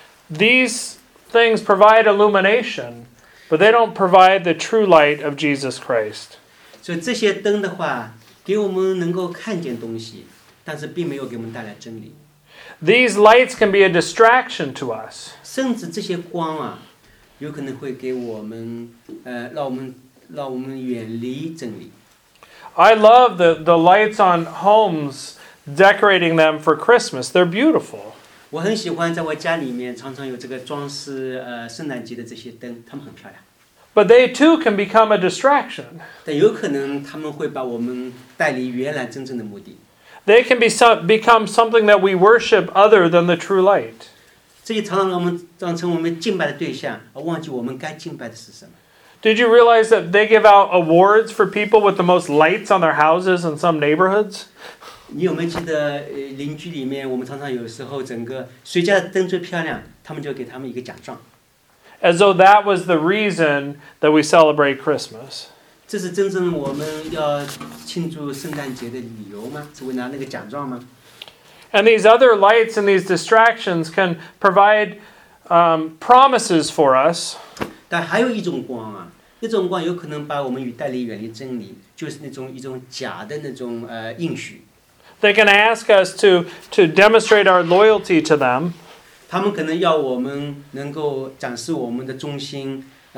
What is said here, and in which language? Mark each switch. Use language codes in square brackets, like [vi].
[en] These things provide illumination. But they don't provide the true light of Jesus Christ. So these lights, [zh] 的话，给我们能够看见东西，但是并没有给我们带来真理。 [en] These lights can be a distraction to us. [zh] 甚至这些光啊，有可能会给我们，让我们远离真理。 [en] I love the lights on homes, decorating them for Christmas. They're beautiful. [zh] 我很喜欢在我家里面常常有这个装饰，圣诞节的这些灯，它们很漂亮。 [en] But they too can become a distraction. [zh] 但有可能他们会把我们带离原来真正的目的。 [en] They can become something that we worship other than the true light. [zh] 这些常常让我们当成我们敬拜的对象，而忘记我们该敬拜的是什么。 [en] Did you realize that they give out awards for people with the most lights on their houses in some neighborhoods? [zh] 你有没有记得，邻居里面我们常常有时候整个谁家的灯最漂亮，他们就给他们一个奖状。 [en] As though that was the reason that we celebrate Christmas. [zh] 这是真正我们要庆祝圣诞节的理由吗？是为拿那个奖状吗？ [en] And these other lights and these distractions can provide promises for us. [zh] 但还有一种光啊，那种光有可能把我们与带离远离真理，就是那种一种假的那种应许。 [en] They can ask us to demonstrate our loyalty to them. [zh] 他们可能要我们能够展示我们的忠心，